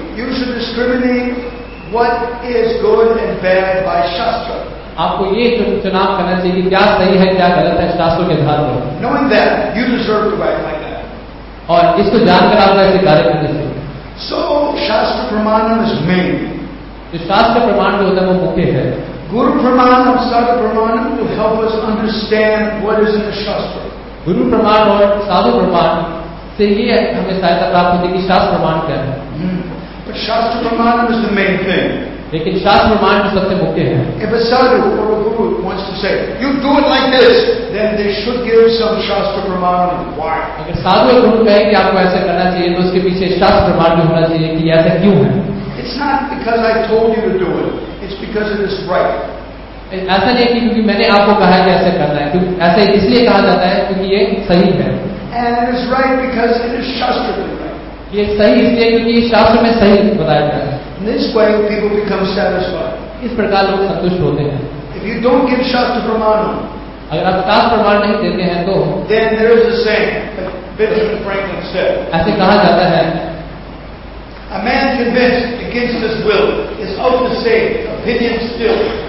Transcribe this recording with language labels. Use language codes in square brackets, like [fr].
[en] You should discriminate what is good and bad by Shastra. [hi] आपको ये चुनाव करना चाहिए कि क्या सही है क्या गलत है शास्त्रों के आधार पर. [en] Knowing that, you deserve to write like that. [hi] और इसको जानकर आपका ऐसे कार्य करने से. [en] So, Shastra Pramanam is main. [hi] जो शास्त्र प्रमाण जो होता है वो मुख्य है. [en] Guru Pramanam, Sadhu Pramanam will help us understand what is in the Shastra. [hi] गुरु प्रमाण और साधु प्रमाण से ही हमें सहायता प्राप्त होती है कि शास्त्र प्रमाण क्या है. [en] But Shastra Pramanam is the main thing. [hi] लेकिन शास्त्र प्रमाण जो सबसे मुख्य है. [en] If a sadhu or a guru wants to say, you do it like this, then they should give some Shastra Pramanam. Why? [hi] अगर साधु और गुरु कहें कि आपको ऐसा करना चाहिए तो उसके पीछे शास्त्र प्रमाण भी होना चाहिए कि ऐसा क्यों है. [en] It's not because I told you to do it, it's because it is right. [hi] ऐसा नहीं कि क्योंकि मैंने आपको कहा है कि ऐसे करना है क्योंकि ऐसा इसलिए कहा जाता है क्योंकि ये सही है. [en] And it is right because it is shastrically right. [hi] ये सही इसलिए क्योंकि शास्त्र में सही बताया गया है. [en] This way people become satisfied. [hi] इस प्रकार लोग संतुष्ट होते हैं. [en] If you don't give Shastra Pramanam, [hi] अगर आप शास्त्र प्रमाण नहीं देते हैं तो [en] then there is a saying, Benjamin Franklin said. [hi] ऐसे कहा जाता है. [en] A man convinced against his will is of the same opinion still.